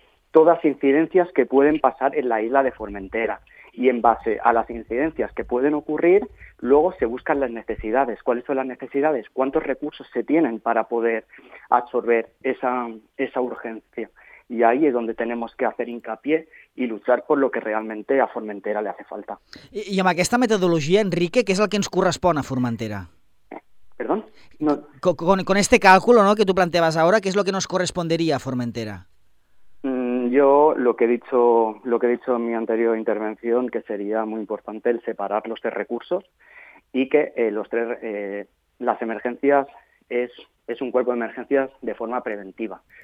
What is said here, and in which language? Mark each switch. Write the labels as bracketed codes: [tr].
[es] todas incidencias que pueden pasar en la isla de Formentera y en base a las incidencias que pueden ocurrir, luego se buscan las necesidades, cuáles son las necesidades, cuántos recursos se tienen para poder absorber esa urgencia. Y ahí es donde tenemos que hacer hincapié y luchar por lo que realmente a Formentera le hace falta. [ca] I amb aquesta metodologia, Enrique, què és el que ens correspon a Formentera? [es] Perdón? No. Con este cálculo, ¿no?, que tú planteabas ahora, ¿qué es lo que nos correspondería a Formentera? Yo lo que he dicho en mi anterior intervención, que sería muy importante el separar los tres recursos y que las emergencias es un cuerpo de emergencias de forma preventiva.